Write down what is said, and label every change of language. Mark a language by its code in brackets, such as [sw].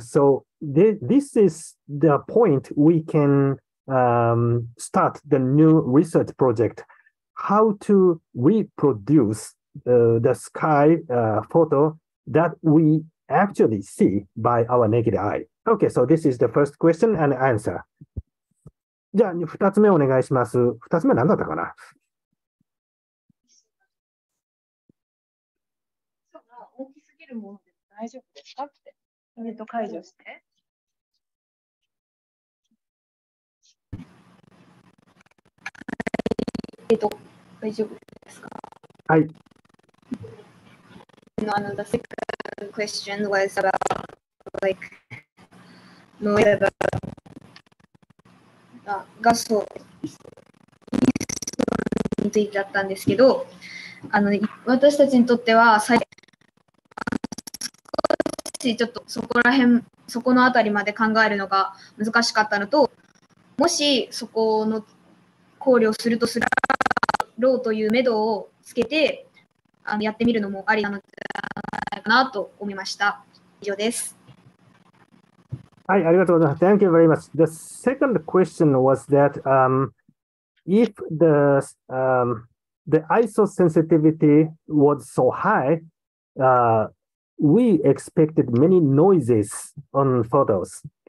[en] So this is the point we can start the new research project, how to reproduce the sky photo that we actually see by our naked eye. Okay, so this is the first question and answer. [ja] じゃあ、二つ目お願いします。二つ目は何だったかな？そう、まあ、大きすぎるもので大丈夫ですかって。それと解除して。大丈夫ですか？はい。 [en] No, the second question was about, like, noise about... [ja] 画素いい質問についてだったんですけど、あの私たちにとっては少しちょっとそこら辺そこのあたりまで考えるのが難しかったのと、もしそこの考慮するとするろうという目処をつけてあのやってみるのもありなのかなと思いました。以上です。 [en] Thank you very much. The second question was that if the ISO sensitivity was so high, we expected many noises on photos.